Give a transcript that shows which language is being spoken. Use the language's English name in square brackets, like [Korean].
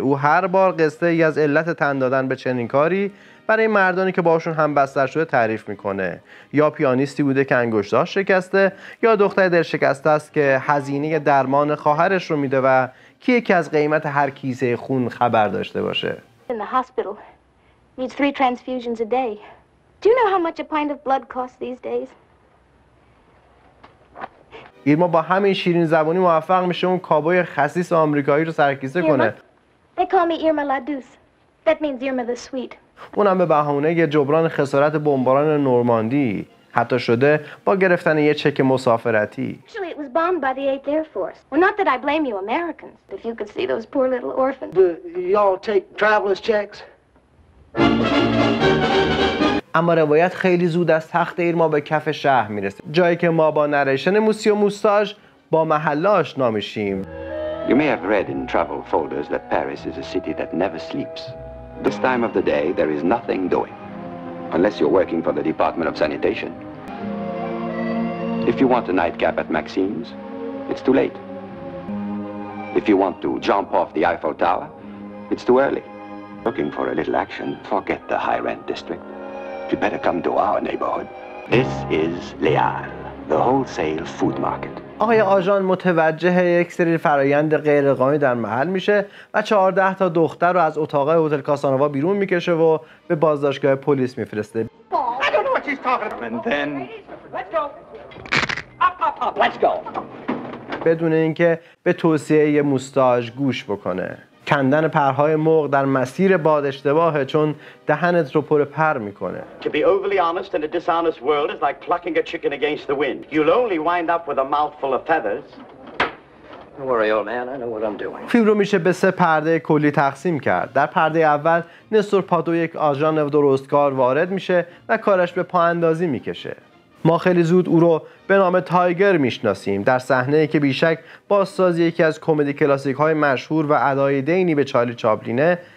[Persian] او هر بار قصه ای از علت تن دادن به چنین کاری برای مردانی که باشون هم بستر شده تعریف میکنه. یا پیانیستی بوده که انگشتاش شکسته، یا دختر دلشکسته است که هزینه درمان خواهرش رو میده و کی یکی از قیمت هر کیسه خون خبر داشته باشه. [English] In the hospital needs 3 transfusions a day. Do you know how much a pint of blood costs these days? [Persian] ایرما با همین شیرین زبانی موفق میشه اون کابوی خسیس آمریکایی رو سرکیسه کنه. [English] They call me Irma La Douce. That means Irma the Sweet. [Persian] اونم به بهونه یه جبران خسارت بمباران نورماندی، حتی شده با گرفتن یه چک مسافرتی. [English] Actually, it was bombed by the 8th Air Force. Well, not that I blame you Americans, but if you could see those poor little orphans. Y'all take traveler's checks? [Persian] اما روایت خیلی زود از تخت ایرما به کف شهر میرسه، جایی که ما با نریشن موسی و موستاژ با محلاش نامیشیم. [English] You may have read in travel folders that Paris is a city that never sleeps. This time of the day, there is nothing doing. Unless you're working for the Department of Sanitation. If you want a nightcap at Maxime's, it's too late. If you want to jump off the Eiffel Tower, it's too early. Looking for a little action, forget the high-rent district. You better come to our neighborhood. This is Le Halle, the wholesale food market. [Persian] آقای آژان متوجه یک سری فرایند غیرقانونی در محل میشه و 14 تا دختر رو از اتاق هتل کاسانووا بیرون میکشه و به بازداشتگاه پلیس میفرسته. بدون اینکه به توصیه موستاژ گوش بکنه. کندن پرهای مرغ در مسیر باد اشتباهه، چون دهنت رو پر پر میکنه. [English] To be overly honest in a dishonest world is like plucking a chicken against the wind. You'll only wind up with a mouthful of feathers. Don't worry, old man, I know what I'm doing. [Persian] فیلم رو میشه به سه پرده کلی تقسیم کرد. در پرده اول نستور پادو یک آژان درستکار وارد میشه و کارش به پااندازی میکشه. ما خیلی زود او رو به نام تایگر میشناسیم، در صحنه ای که بیشک بازسازی یکی از کمدی کلاسیک های مشهور و ادای دینی به چارلی چاپلینه.